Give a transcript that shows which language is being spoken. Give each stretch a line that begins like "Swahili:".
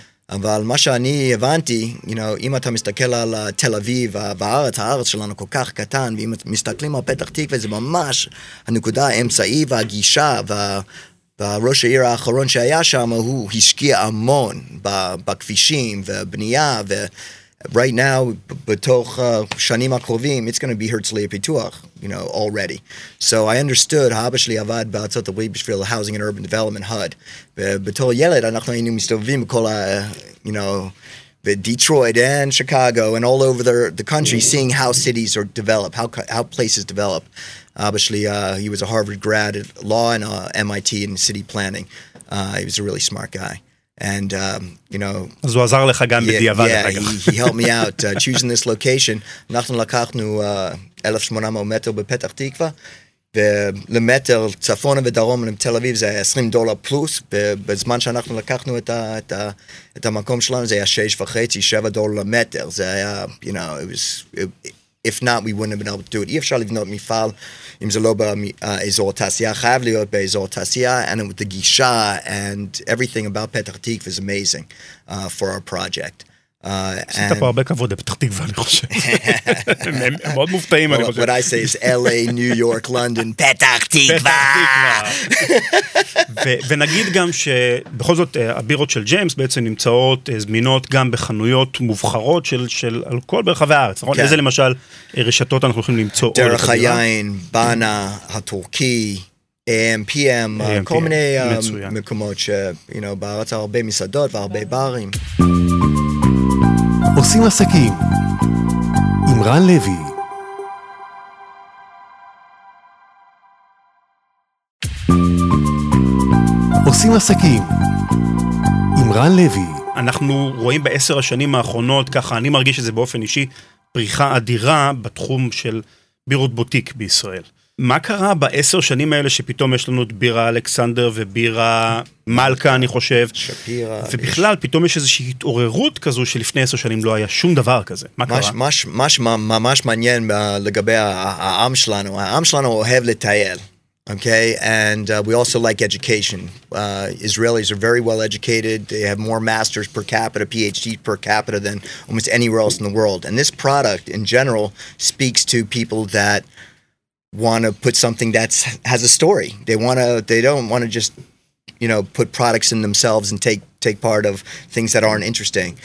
Hebrew: אבל מה שאני הבנתי,
English: you know,
Hebrew: אם אתה מסתכל על תל אביב והארץ, הארץ שלנו כל כך קטן, ואם אתם מסתכלים על פתח תקווה, זה ממש הנקודה האמצעי והגישה, והראש העיר האחרון שהיה שם, הוא השקיע המון בכבישים ובנייה, ו-
English: right now,
Hebrew: בתוך שנים הקרובים,
English: it's going to be
Hebrew: הרצליה פיתוח,
English: you know, already. So I understood,
Hebrew: האבא שלי עבד בארצות הברית בשביל
English: Housing and Urban Development HUD,
Hebrew: ובתור ילד אנחנו היינו מסתובבים בכל
English: you know, בדיטרויט and Chicago and all over the country seeing how cities are developed, how places develop.
Hebrew: האבא שלי,
English: he was a Harvard grad at law and MIT in city planning. He was a really smart guy. And you know,
Hebrew: אז הוא עזר לך גם בדיעבד.
English: He helped me out choosing this location.
Hebrew: אנחנו לקחנו 1,800 מטר בפתח תקווה, ולמטר צפונה ודרום לתל אביב זה היה $20 פלוס, ובזמן שאנחנו לקחנו את המקום שלנו זה היה 6.5, $7 למטר. זה היה,
English: you know, if not, we wouldn't have been able to do it.
Hebrew: אי אפשר לבנות מפעל אם זה לא באזור התעשייה,
English: חייב להיות באזור התעשייה, and with the גישה, and everything about פתח תקווה is amazing for our project.
Hebrew: עשית פה הרבה כבוד, פתח תקווה, אני חושב. הם מאוד מופתעים, אני חושב.
English: What I say is LA, New York, London, פתח תקווה!
Hebrew: ונגיד גם שבכל זאת, הבירות של ג'יימס בעצם נמצאות, זמינות גם בחנויות מובחרות של אלכוהול ברחבי הארץ. איזה למשל רשתות אנחנו הולכים למצוא? דרך היין, בנה, הטורקי, AMPM, כל מיני מקומות שבארץ הרבה מסעדות והרבה ברים. עושים עסקים עם רן לוי. עושים עסקים עם רן לוי. אנחנו רואים בעשר השנים האחרונות, ככה אני מרגיש שזה באופן אישי, פריחה אדירה בתחום של בירות בוטיק בישראל. מה קרה בעשר שנים האלה שפתאום יש לנו את בירה אלכסנדר ובירה מלכה, אני חושב? שפירה. ובכלל, פתאום יש איזושהי התעוררות כזו שלפני 10 שנים לא היה שום דבר כזה. מה קרה? מה שממש מעניין לגבי העם שלנו, העם שלנו אוהב לטייל, okay?
English: And we also like education. Israelis are very well educated. They have more masters per capita, PhDs per capita than almost anywhere else in the world. And this product, in general, speaks to people that want to put something that's has a story. They don't want to just, you know, put products in themselves and take part of things that aren't interesting.